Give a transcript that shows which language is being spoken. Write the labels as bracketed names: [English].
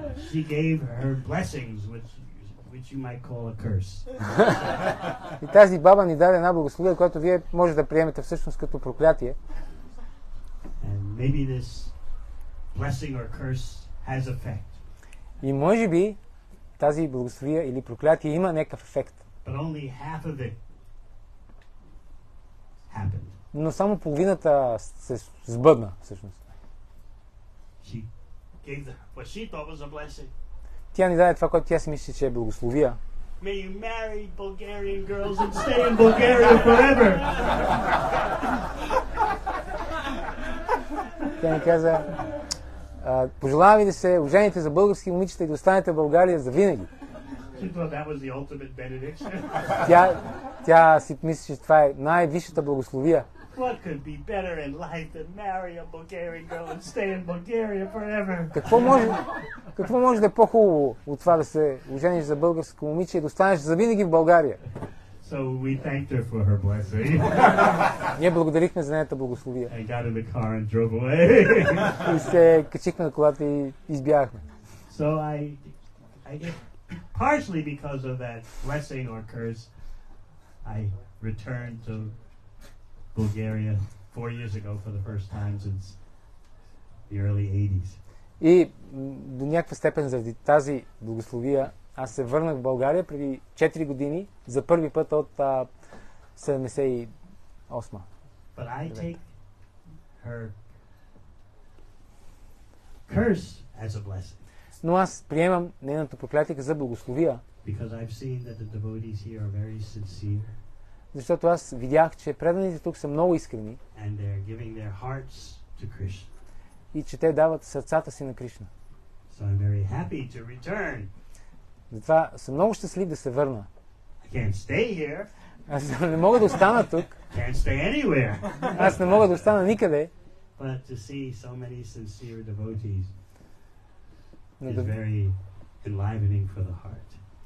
[English] She gave her blessings, which you might call a curse. [Bulgarian] И тази баба ни даде една благословие, което вие може да приемете всъщност като проклятие. [English] And maybe this blessing or curse has effect. [Bulgarian] И може би тази благословие или проклятие има някакъв ефект. [English] But only half of it happened. [Bulgarian] Но само половината се сбъдна всъщност. [English] She gave the, what she thought was a blessing. [Bulgarian] Тя ни даде това, което тя си мисли, че е благословия. [English] May you marry Bulgarian girls and stay in Bulgaria forever. [Bulgarian] Тя ни каза, пожелава ви да се ожените за български момичета и да останете в България завинаги. [English] She thought that was the ultimate benediction. [Bulgarian] Тя си мисли, че това е най-висшата благословия. [English] What could be better in life than marry a Bulgarian girl and stay in Bulgaria forever? [Bulgarian] Какво може да е по-хубаво от това да се ожениш за българско момиче и да останеш завинаги в България? [English] So we thanked her for her blessing. [Bulgarian] Ние благодарихме за нейната благословия. [English] I got in the car and drove away. [Bulgarian] И се качихме на колата и избягахме. [English] So I guess partially because of that blessing or curse, I returned to Bulgaria 4 years ago for the first time since the early 80s. [Bulgarian] И до някаква степен заради тази благословия аз се върнах в България преди 4 години за първи път от 78. [English] But I take her curse as a blessing. [Bulgarian] Но аз приемам нейната проклятие за благословия. [English] Because I've seen that the devotees here are very sincere. [Bulgarian] Защото аз видях, че преданите тук са много искрени. [English] And they're giving their hearts to Krishna. [Bulgarian] И че те дават сърцата си на Кришна. [English] So I'm very happy to return. [Bulgarian] Затова съм много щастлив да се върна. [English] I can't stay here. [Bulgarian] Аз не мога да остана тук. [English] Can't stay anywhere. [Bulgarian] Аз не мога да остана никъде. [English] But to see so many sincere devotees is very enlivening for the heart.